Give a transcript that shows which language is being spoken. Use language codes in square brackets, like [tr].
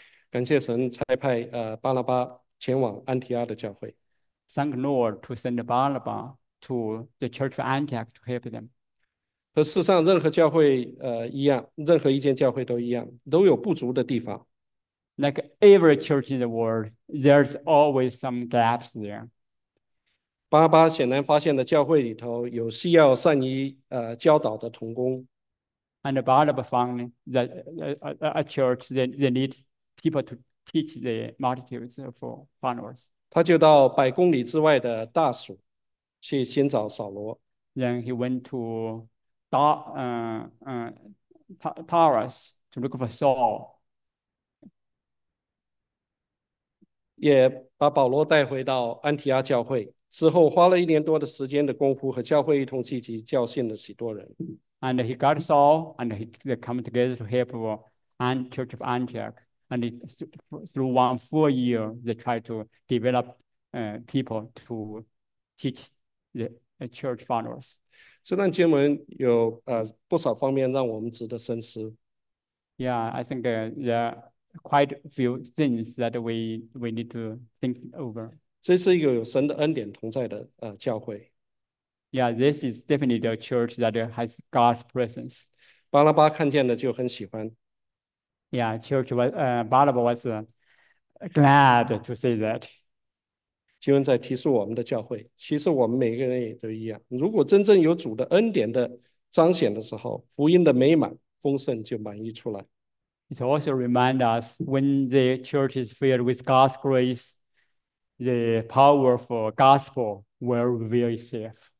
[zh] 感谢神差派巴拉巴前往安提阿的教会。 [en] Thank Lord to send Barnabas to the church of Antioch to help them. [zh] 和世上任何教会一样，任何一间教会都一样，都有不足的地方。 [en] Like every church in the world, there's always some gaps there. [zh] 巴拉巴显然发现了教会里头有需要善于教导的同工。 [en] And Barnabas found that a church they need people to teach the multitudes of followers. [zh] 他就到百公里之外的大署去寻找扫罗。 [en] Then he went to Taurus to look for Saul. [zh] 也把保罗带回到安提阿教会，之后花了1年多的时间的功夫，和教会一同聚集，教训了许多人。 [en] And he got Saul, and he come together to help and Church of Antioch. And through 1 full year, they tried to develop people to teach the church founders. [zh] 这段经文有不少方面让我们值得深思。 [en] Yeah, I think there are quite a few things that we need to think over. [zh] 这是一个有神的恩典同在的教会。 [en] Yeah, this is definitely the church that has God's presence. [zh] 巴拉巴看见了就很喜欢。 [en] Yeah, church was Barnabas was glad to say that. [zh] 经文在提示我们的教会，其实我们每个人也都一样。如果真正有主的恩典的彰显的时候，福音的美满丰盛就满溢出来。 [en] It also reminds us when the church is filled with God's grace, the powerful gospel will reveal itself.